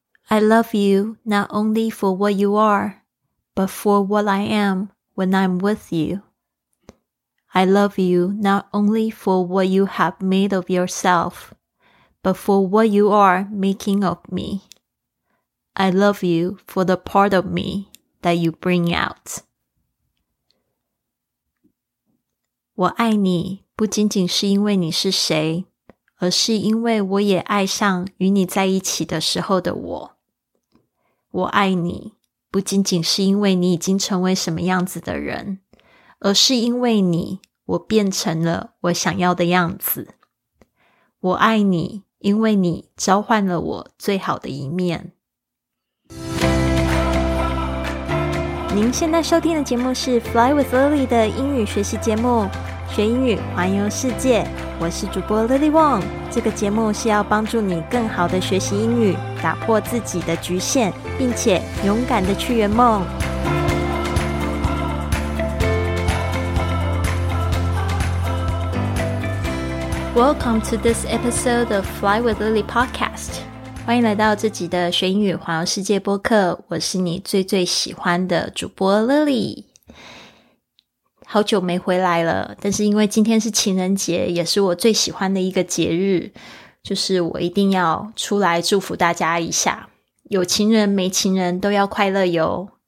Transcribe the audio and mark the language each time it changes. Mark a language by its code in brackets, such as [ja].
[en] I love you not only for what you are, but for what I am when I'm with you. I love you not only for what you have made of yourself, but for what you are making of me. I love you for the part of me that you bring out. [zh] 我爱你不仅仅是因为你是谁，而是因为我也爱上与你在一起的时候的我。我爱你不仅仅是因为你已经成为什么样子的人，而是因为你，我变成了我想要的样子。我爱你，因为你召唤了我最好的一面。您现在收听的节目是 Fly with Lily 的英语学习节目，学英语环游世界。我是主播 Lily Wong。这个节目是要帮助你更好的学习英语，打破自己的局限，并且勇敢的去圆梦。 [en] Welcome to this episode of Fly with Lily podcast. [zh] 欢迎来到这集的学英语环游世界播客，我是你最最喜欢的主播 Lily。好久没回来了，但是因为今天是情人节，也是我最喜欢的一个节日，就是我一定要出来祝福大家一下，有情人没情人都要快乐哟。